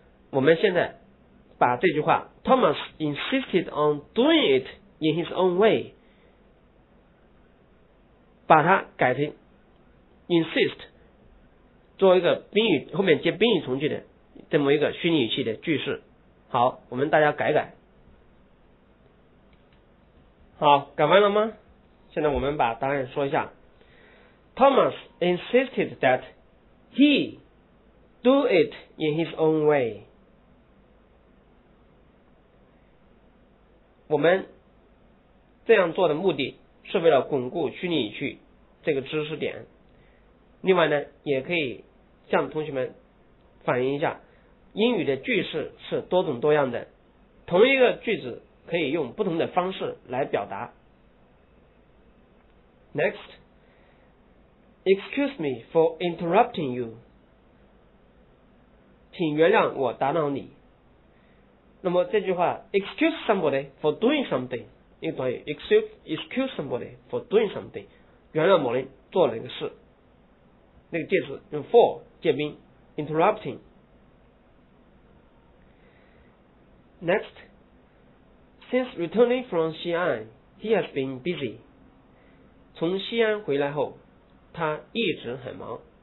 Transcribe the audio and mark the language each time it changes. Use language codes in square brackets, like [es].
[zh] 我们现在把这句话 [en] Thomas insisted on doing it in his own way [zh] 把它改成 insist 做一个宾语后面接宾语从句的这么一个虚拟语气的句式。好，我们大家改改。好，改完了吗？现在我们把答案说一下。 [en] Thomas insisted that he do it in his own way。 [zh] 我们这样做的目的是为了巩固虚拟语气这个知识点。另外呢，也可以向同学们反映一下，英语的句式是多种多样的，同一个句子可以用不同的方式来表达。 [en] Next, excuse me for interrupting you. [zh] 请原谅我打扰你。那么这句话 [en] excuse somebody for doing something [zh] 一个短语 excuse somebody for doing something 原谅某人做了一个事，那个介词用 for 介宾 interrupting。 [en] NextSince returning from Xi'an, he has been busy. [zh] 从西安回来后，他一直很忙。